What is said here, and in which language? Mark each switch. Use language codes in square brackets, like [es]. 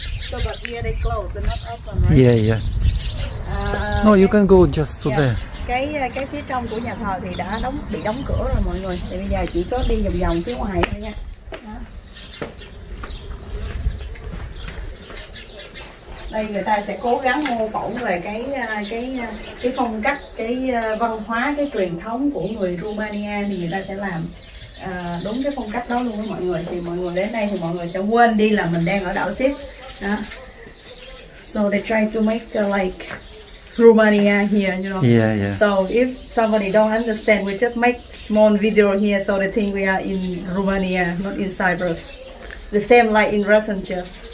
[en] So but here they close, not open, right? Yeah, yeah. No, you can go just to there. [vi] Cái phía trong của nhà thờ thì đã bị đóng cửa rồi mọi người. Thì bây giờ chỉ có đi vòng vòng phía ngoài thôi nha. Đây người ta sẽ cố gắng mô phỏng về cái phong cách, cái văn hóa, cái truyền thống của người Romania thì người ta sẽ làm đúng cái phong cách đó luôn đó mọi người. Thì mọi người đến đây thì mọi người sẽ quên đi là mình đang ở đảo Sip. [en] So they try to make like Romania here, you know. Yeah, yeah. So if somebody don't understand, we just make small video here so they think we are in Romania, not in Cyprus. The same like in Russian church.